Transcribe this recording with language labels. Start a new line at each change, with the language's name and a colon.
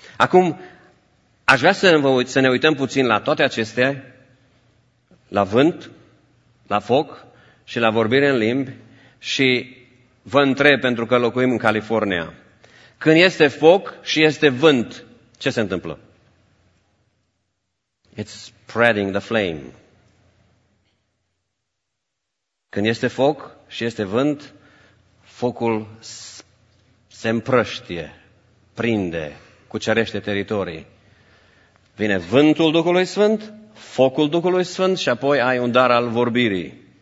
Romanian: Acum, aș vrea să ne uităm puțin la toate acestea, la vânt, la foc și la vorbire în limbi, și vă întreb, pentru că locuim în California, când este foc și este vânt, ce se întâmplă?
English: It's spreading the flame.
Romanian: Când este foc și este vânt, focul se împrăștie, prinde, cucerește teritorii. Vine vântul Duhului Sfânt, focul Duhului Sfânt și apoi ai un dar al vorbirii.